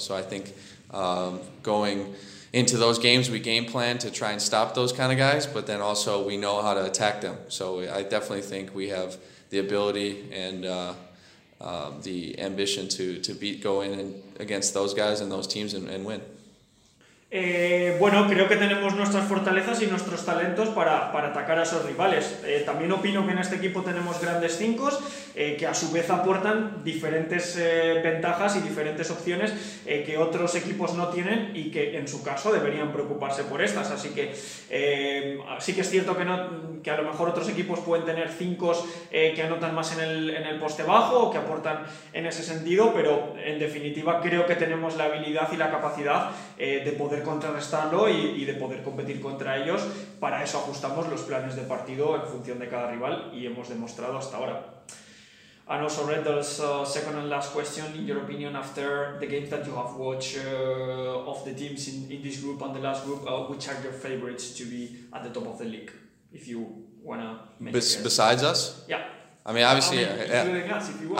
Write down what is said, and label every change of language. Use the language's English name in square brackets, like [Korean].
[English] So I think going into those games, we game plan to try and stop those kind of guys, but then also we know how to attack them. So I definitely think we have the ability and the ambition to beat, go in and against those guys and those teams and win. [Spanish] Bueno, creo que tenemos nuestras fortalezas y nuestros talentos para atacar a esos rivales. También opino que en este equipo tenemos grandes cinco que a su vez aportan diferentes ventajas y diferentes opciones que otros equipos no tienen y que en su caso deberían preocuparse por estas. Así que sí que es cierto que no, que a lo mejor otros equipos pueden tener cinco que anotan más en el poste bajo o que aportan en ese sentido, pero en definitiva creo que tenemos la habilidad y la capacidad de poder poder contrarrestarlo y de poder competir contra ellos. Para eso ajustamos los planes de partido en función de cada rival y hemos demostrado hasta ahora. [English] And also, Red, there's a second and last question. In your opinion, after the games that you have watched of the teams in this group and the last group, which are your favorites to be at the top of the league, if you wanna make besides us? Yeah. I mean, obviously, including us, if you want.